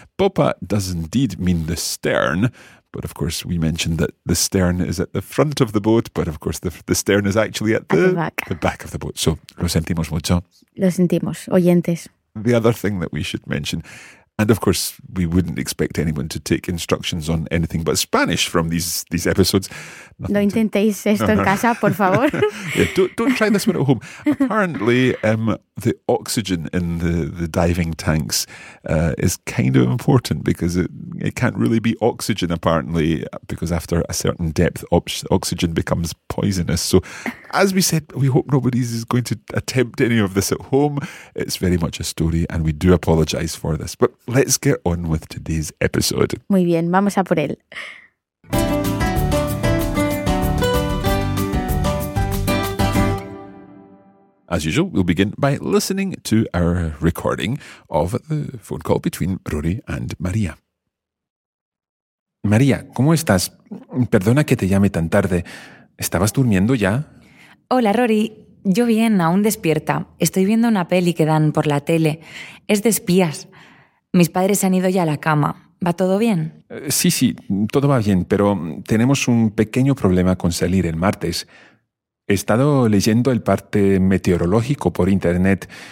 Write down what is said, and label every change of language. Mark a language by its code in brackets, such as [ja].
[en] Popa does indeed mean the stern. But of course, we mentioned that the stern is at the front of the boat. But of course, the stern is actually at the back of the boat. So [es] lo sentimos mucho. Lo sentimos, oyentes. [en] The other thing that we should mention, and of course, we wouldn't expect anyone to take instructions on anything but Spanish from these episodes. [es] No intentéis esto en casa, por favor. [en] Yeah, don't try this one at home. Apparently, the oxygen in the diving tanks is kind of important because it can't really be oxygen, apparently, because after a certain depth, oxygen becomes poisonous. So, as we said, we hope nobody is going to attempt any of this at home. It's very much a story, and we do apologize for this. But let's get on with today's episode. [es] Muy bien, vamos a por él. [en] As usual, we'll begin by listening to our recording of the phone call between Rory and María. [es] María, ¿cómo estás? Perdona que te llame tan tarde. ¿Estabas durmiendo ya? Hola, Rory. Yo bien, aún despierta. Estoy viendo una peli que dan por la tele. Es de espías. Mis padres han ido ya a la cama. ¿Va todo bien? Sí, sí, todo va bien, pero tenemos un pequeño problema con salir el martes. He estado leyendo el parte meteorológico por internet